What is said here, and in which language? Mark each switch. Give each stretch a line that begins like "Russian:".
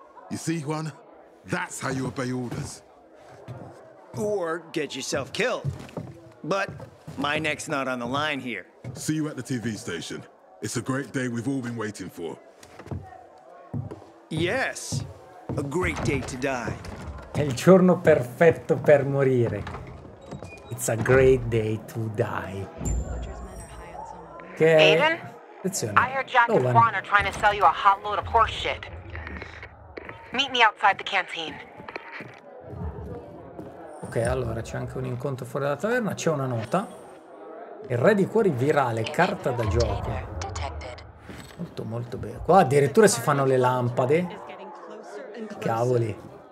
English: You see, Juan? That's how you obey orders. Or get yourself killed. But my neck's not on the line here. See you at the TV station. It's a great day we've all been waiting for. Yes, a great day to die.
Italian: È il giorno perfetto per morire.
English: It's a great day to die.
Italian: Okay. Aven? Attenzione.
English: I heard Jack and Juan are trying to sell you a hot load of horse shit. Meet me outside the canteen.
Italian: Ok, allora c'è anche un incontro fuori dalla taverna, c'è una nota. Il re di cuori virale, carta da gioco. Molto molto bello. Qua addirittura si fanno le lampade. Cavoli.